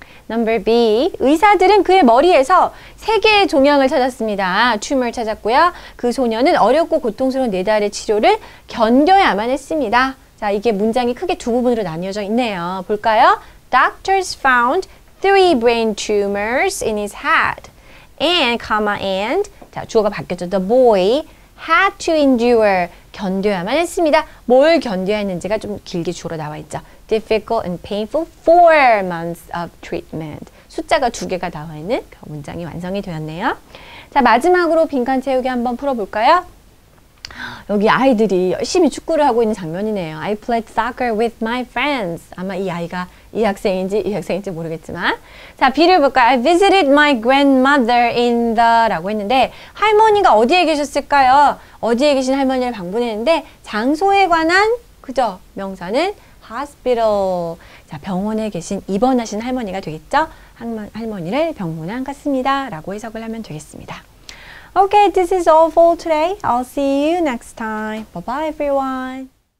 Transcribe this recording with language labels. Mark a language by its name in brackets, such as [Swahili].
[English] Number B. [Korean] 의사들은 그의 머리에서 세 개의 종양을 찾았습니다. 튜머를 찾았고요. 그 소년은 어렵고 고통스러운 네 달의 치료를 견뎌야만 했습니다. 자, 이게 문장이 크게 두 부분으로 나뉘어져 있네요. 볼까요? [English] Doctors found three brain tumors in his head. And, [Korean] 자, 주어가 바뀌었죠. [English] The boy had to endure. [Korean] 견뎌야만 했습니다. 뭘 견뎌야 했는지가 좀 길게 주로 나와 있죠. [English] Difficult and painful 4 months of treatment. [Korean] 숫자가 두 개가 나와 있는 그 문장이 완성이 되었네요. 자, 마지막으로 빈칸 채우기 한번 풀어볼까요? 여기 아이들이 열심히 축구를 하고 있는 장면이네요. [English] I played soccer with my friends. [Korean] 아마 이 아이가 이 학생인지 모르겠지만. 자, B를 볼까요? [English] I visited my grandmother in the [Korean] 라고 했는데 할머니가 어디에 계셨을까요? 어디에 계신 할머니를 방문했는데 장소에 관한 그죠? 명사는 hospital. 자, 병원에 계신 입원하신 할머니가 되겠죠? 할머니를 병문안 갔습니다. 라고 해석을 하면 되겠습니다. [English] Okay, this is all for today. I'll see you next time. Bye-bye, everyone.